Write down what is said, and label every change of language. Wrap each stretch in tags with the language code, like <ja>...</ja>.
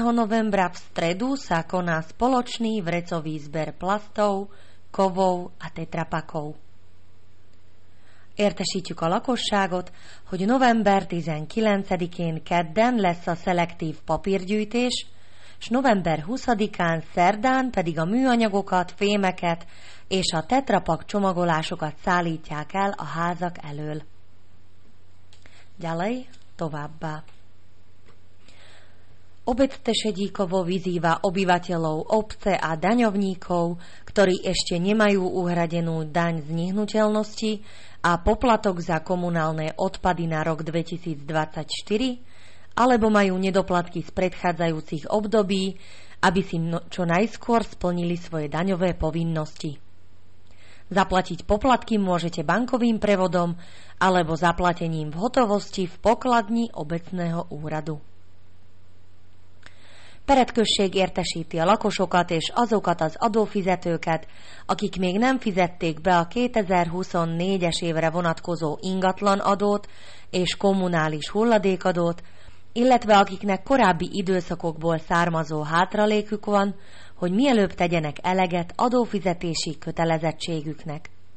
<sk>novembra v stredu sa koná spoločný vrecový zber plastov, kovov a tetrapakov.</sk> <hu>Értesítjük a lakosságot, hogy november 19-én kedden lesz a szelektív papírgyűjtés, s november 20-án szerdán pedig a műanyagokat, fémeket és a tetrapak csomagolásokat szállítják el a házak elől. Gyalej továbbá.</hu> <sk>Obec Tešedíkovo vyzýva obyvateľov obce a daňovníkov, ktorí ešte nemajú uhradenú daň z nehnuteľnosti a poplatok za komunálne odpady na rok 2024, alebo majú nedoplatky z predchádzajúcich období, aby si čo najskôr splnili svoje daňové povinnosti. Zaplatiť poplatky môžete bankovým prevodom alebo zaplatením v hotovosti v pokladni obecného úradu.</sk> <hu>Peretkösség értesíti a lakosokat és azokat az adófizetőket, akik még nem fizették be a 2024-es évre vonatkozó ingatlan adót és kommunális hulladékadót, illetve akiknek korábbi időszakokból származó hátralékük van, hogy mielőbb tegyenek eleget adófizetési kötelezettségüknek.</hu>